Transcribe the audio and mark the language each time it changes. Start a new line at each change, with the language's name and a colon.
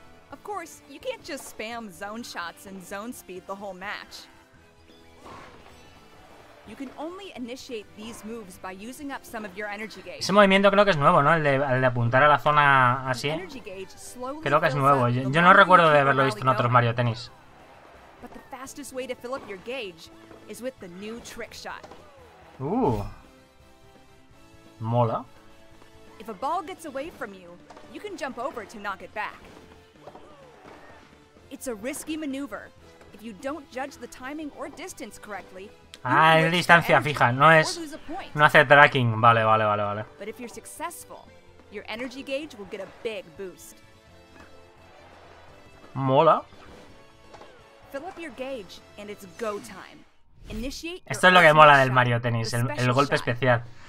English: Of course, you can't just spam zone shots and zone speed the whole match. You can only initiate these moves by using up some of your energy gauge.
Spanish: Ese movimiento creo que es nuevo, ¿no? El de apuntar a la zona así. Creo que es nuevo. Yo no recuerdo de haberlo visto en otros Mario Tennis.
English: Fastest way to fill up your gauge is with the new trick shot. Ooh.
Spanish: Mola.
English: If a ball gets away from you, you can jump over to knock it back. It's a risky maneuver. If you don't judge the timing or distance correctly,
Spanish: es distancia fija, no hace tracking. Vale.
English: But if you're successful, your energy gauge will get a big boost.
Spanish: Mola. Esto es lo que mola del Mario Tennis, el golpe especial.